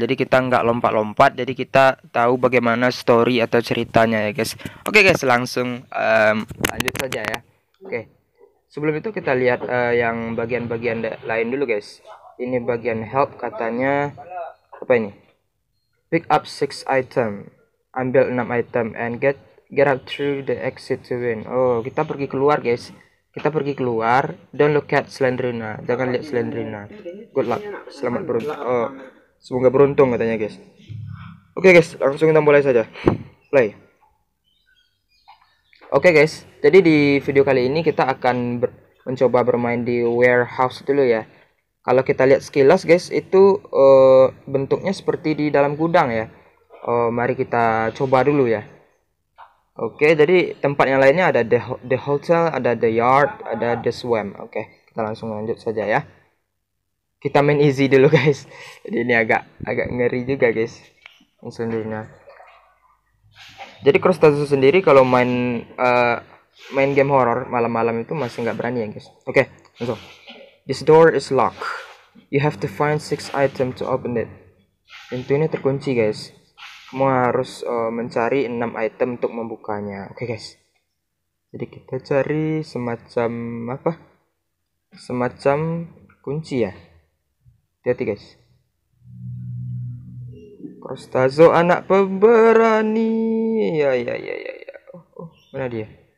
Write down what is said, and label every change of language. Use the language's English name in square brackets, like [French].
[Indonesian] Jadi kita nggak lompat-lompat, jadi kita tahu bagaimana story atau ceritanya ya guys. Oke guys, langsung lanjut saja ya. Oke, sebelum itu kita lihat yang bagian-bagian lain dulu guys. Ini bagian help katanya. Apa ini? [English] Pick up 6 item. Ambil 6 item and get up through the exit to win. [Indonesian] Oh, kita pergi keluar guys. Kita pergi keluar. [English] Don't look at Slendrina. [Indonesian] Jangan lihat Slendrina. [English] Good luck. [Indonesian] Selamat beruntung. Oh, semoga beruntung katanya guys. Oke guys, langsung kita mulai saja. Play. Oke guys, jadi di video kali ini kita akan mencoba bermain di warehouse dulu ya. Kalau kita lihat sekilas guys, itu bentuknya seperti di dalam gudang ya. Mari kita coba dulu ya. Oke, jadi tempat yang lainnya ada the hotel, ada the yard, ada the swamp. Oke, kita langsung lanjut saja ya. Kita main easy dulu guys. Jadi ini agak ngeri juga guys. Yang sendirinya. Jadi Krustazo sendiri kalau main game horror malam-malam itu masih nggak berani ya guys. Oke, langsung. [English] This door is locked. You have to find 6 items to open it. [Indonesian] Pintu ini terkunci, guys. Kamu harus mencari 6 item untuk membukanya. Oke, okay, guys. Jadi kita cari semacam apa? Semacam kunci ya. Hati-hati, guys. Krustazo anak pemberani. Ya. Oh, mana dia?